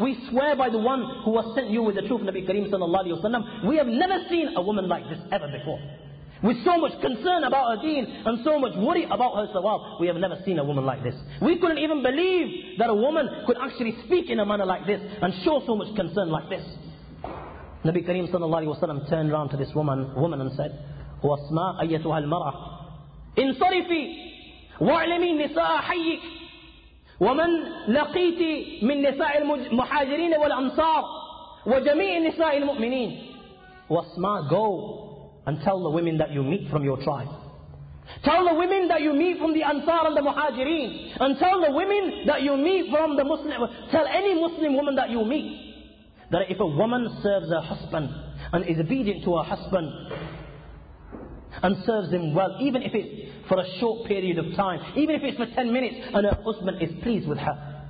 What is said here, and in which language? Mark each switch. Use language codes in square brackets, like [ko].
[en] We swear by the one who has sent you with the truth, Nabi Kareem sallallahu alayhi wa sallam. We have never seen a woman like this ever before. With so much concern about her deen and so much worry about her sawab, we have never seen a woman like this. We couldn't even believe that a woman could actually speak in a manner like this and show so much concern like this. Nabi Kareem sallallahu alayhi wa sallam turned around to this woman and said, [ar] وَاسْمَا أَيَّتُهَا الْمَرْأَةِ إِنْصَرِفِي وَعْلِمِي نِسَاءَ حَيِّكِ وَمَنْ لَقِيتِ مِنْ نِسَاءِ الْمُحَاجِرِينَ وَالْأَنصَارِ وَجَمِيعِ نِسَاءِ الْمُؤْمِنِينَ. [en] وَاسْمَا, go and tell the women that you meet from your tribe. Tell the women that you meet from the Ansar and the Muhajireen. And tell the women that you meet from the Muslim. Tell any Muslim woman that you meet that if a woman serves her husband and is obedient to her husband and serves him well, even if it's for a short period of time, even if it's for 10 minutes, and her husband is pleased with her.